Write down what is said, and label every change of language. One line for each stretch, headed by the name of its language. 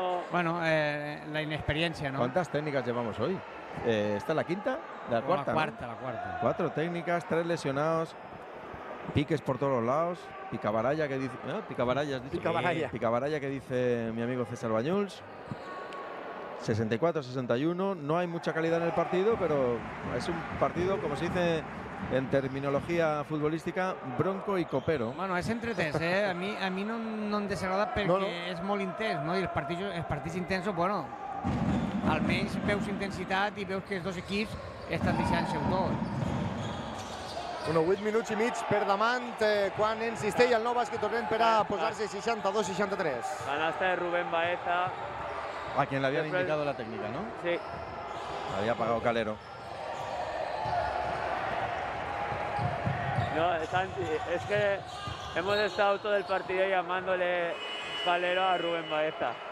Catalan: Bueno, la inexperiència, no?
Spanish: ¿Cuántas técnicas llevamos hoy? ¿Esta es la quinta? La cuarta, ¿no? La cuarta. Cuatro técnicas, tres lesionados, piques por todos los lados, picabaralla que dice... ¿No? Picabaralla, has dicho. Picabaralla. Sí. Picabaralla que dice mi amigo César Bañuls. 64-61, no hay mucha calidad en el partido, pero es un partido, como se dice... En terminología futbolística, bronco y copero. Bueno, es entretes, ¿eh? A mí no me desagrada porque no. Es muy intenso, ¿no? Y el partido intenso, bueno, al menos veus intensidad y veus que los dos equipos están deixant-se todo.
Catalan: Bueno, 8 minuts i mig per davant, quan en Cistell el nou bàsquet tornen per a posar-se 62-63.
Spanish: Canasta de Rubén Baeza. A quien le habían indicado la técnica, ¿no? Sí. Había pagado Calero. No, Santi, es que hemos estado todo el partido llamándole Calero a Rubén Baeza.